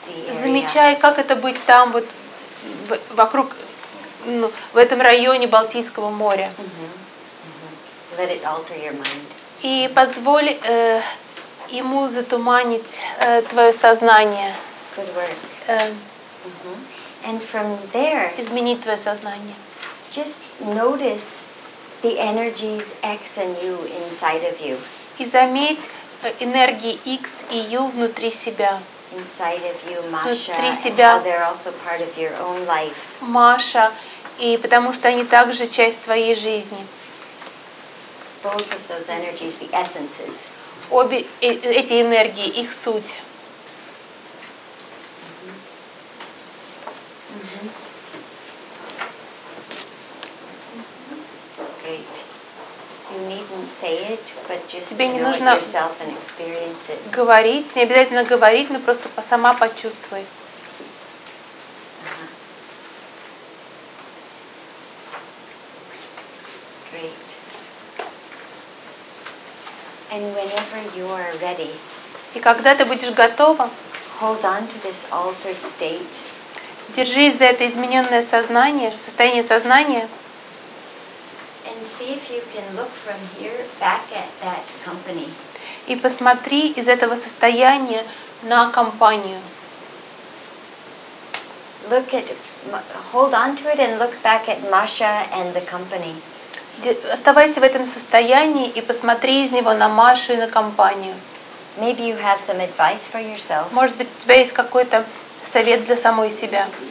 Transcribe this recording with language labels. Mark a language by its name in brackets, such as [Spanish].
[Russian] Замечай, как это быть там, вот вокруг, ну, в этом районе Балтийского моря. [English] Let it alter your mind. [Russian] И позволь ему затуманить твое сознание. [English] Good work. And from there, [Russian] изменить твое сознание. [English] Just notice the energies X and U inside of you. [Russian] И заметь энергии X и U внутри себя. [English] Inside of you, Masha, [Russian] внутри себя, [English] and how they're also part of your own life. [Russian] Маша, и потому что они также часть твоей жизни. [English] Both of those energies, the essences. [Russian] Обе эти энергии, их суть. [English] Great. You needn't say it, but just [Russian] тебе не нужно [English] yourself and experience it. [Russian] Говорить, не обязательно говорить, но просто сама почувствуй. [English] Great. And whenever you are ready, [Russian] и когда ты будешь готова, [English] hold on to this altered state. [Russian] Держись за это измененное сознание, состояние сознания. [English] And see if you can look from here back at that company. [Russian] И посмотри из этого состояния на компанию. [English] Look at, hold on to it and look back at Masha and the company. [Russian] Оставайся в этом состоянии и посмотри из него на Машу и на компанию. [English] Maybe you have some advice for yourself. [Russian] Может быть, у тебя есть какой-то совет для самой себя.